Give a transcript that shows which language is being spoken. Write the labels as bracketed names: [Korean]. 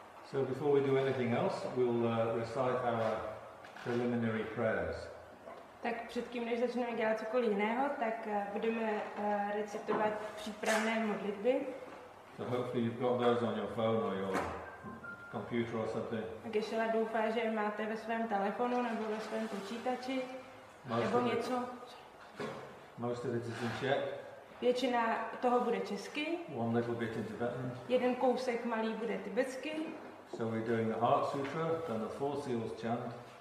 [English] So before we do anything else, we'll recite our preliminary prayers. [Czech] Tak předtím, než začneme dělat cokoliv jiného, tak budeme recitovat přípravné modlitby. [English] So hopefully you've got those on your phone or your computer or something. [Czech] Gešela doufá, že máte ve svém telefonu nebo ve svém počítači nebo něco. [English] Most of it is in Czech. [Czech] Většina toho bude česky. [English] One little bit in Tibetan. [Czech] Jeden kousek malý bude tibetsky. [English] So we're doing the Heart Sutra, then the Four Seals chant.